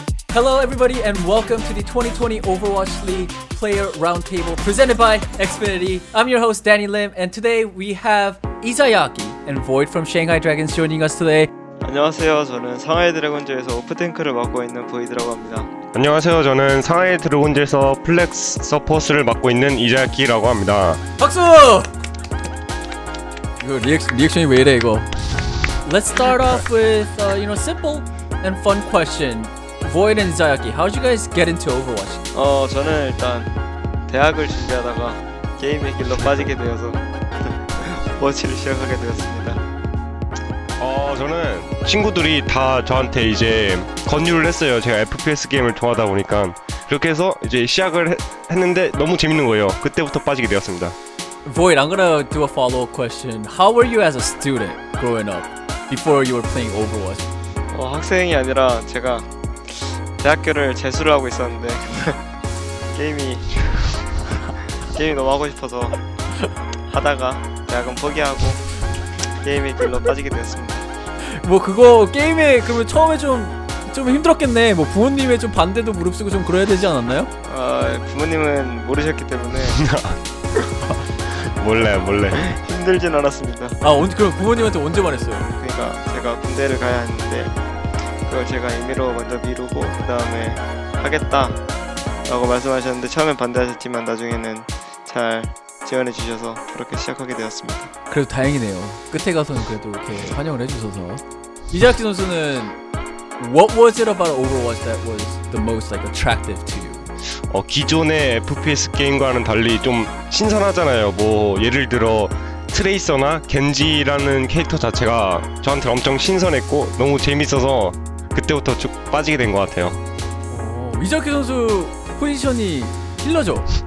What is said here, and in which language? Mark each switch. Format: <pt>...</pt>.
<en>Hello, everybody, and welcome to the 2020 Overwatch League Player Roundtable presented by Xfinity. I'm your host, Danny Lim, and today we have Isayaki and Void from Shanghai Dragons joining us today.</en> <ko>안녕하세요. 저는 상하이 드래곤즈에서 오프탱크를 맡고 있는 보이드라고 합니다. 안녕하세요. 저는 상하이 드래곤즈에서 플렉스 서포스를 맡고 있는 이자키라고 합니다. 박수! 이거 리액션이 왜 이래 이거?</ko> <en>Let's start off with you know, simple and fun question. Void and Izayaki, how did you guys get into Overwatch?</en> <ko>저는 일단 대학을 준비하다가 게임의 길로 빠지게 되어서 워치를 시작하게 되었습니다. 저는 친구들이 다 저한테 이제 권유를 했어요. 제가 FPS 게임을 좋아하다 보니까 그렇게 해서 이제 시작을 했는데 너무 재밌는 거예요. 그때부터 빠지게 되었습니다.</ko> <en>Void, I'm gonna do a follow-up question. How were you as a student growing up before you were playing Overwatch?</en> <ko>학생이 아니라 제가 대학교를 재수를 하고 있었는데 게임이 너무 하고 싶어서 하다가 대학은 포기하고 게임의 길로 빠지게 되었습니다. 뭐 그거 게임에 그러면 처음에 좀 힘들었겠네. 뭐 부모님의 좀 반대도 무릅쓰고 좀 그래야 되지 않았나요? 부모님은 모르셨기 때문에 몰래 힘들진 않았습니다. 그럼 부모님한테 언제 말했어요? 그러니까 제가 군대를 가야 했는데 그걸 제가 임의로 먼저 미루고 그 다음에 하겠다라고 말씀하셨는데 처음엔 반대하셨지만 나중에는 잘 지원해 주셔서 그렇게 시작하게 되었습니다. 그래도 다행이네요. 끝에 가서는 그래도 이렇게 환영을 해주셔서. 이자키 선수는</ko> <en>What was it about Overwatch that was the most like attractive to you?</en> <ko>기존의 FPS 게임과는 달리 좀 신선하잖아요. 뭐 예를 들어 트레이서나 겐지라는 캐릭터 자체가 저한테 엄청 신선했고 너무 재밌어서 그때부터 쭉 빠지게 된 것 같아요. 이자키 선수 포지션이 힐러죠?</ko>